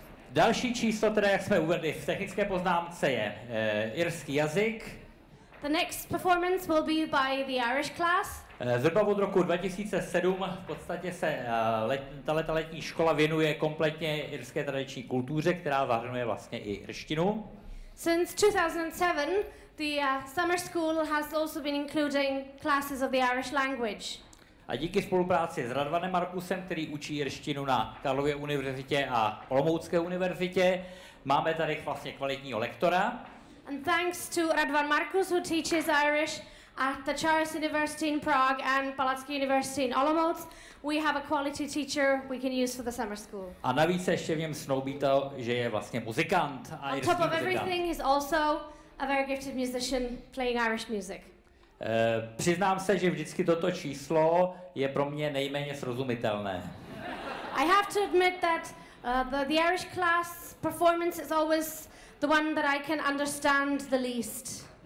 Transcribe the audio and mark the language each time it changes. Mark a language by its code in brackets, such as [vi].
[cs] Další číslo, které jsme uvedli v technické poznámce, je irský jazyk. [en] The next performance will be by the Irish class. [cs] Zhruba od roku 2007 v podstatě se ta letní škola věnuje kompletně irské tradiční kultuře, která zahrnuje vlastně i irštinu. [en] Since 2007, the summer school has also been including classes of the Irish language. [cs] A díky spolupráci s Radvanem Markusem, který učí irštinu na Karlově univerzitě a Olomoucké univerzitě, máme tady vlastně kvalitního lektora. [en] And thanks to Radvan Markus, who teaches Irish at the Charles University in Prague and Palacký University in Olomouc, we have a quality teacher we can use for the summer school. [cs] A navíc ještě v něm snoubí to, že je vlastně muzikant a irský muzikant. [en] On top of everything, he's also a very gifted musician playing Irish music. [cs] Přiznám se, že vždycky toto číslo je pro mě nejméně srozumitelné. [en] I have to admit that the Irish class performance is always the one that I can understand the least.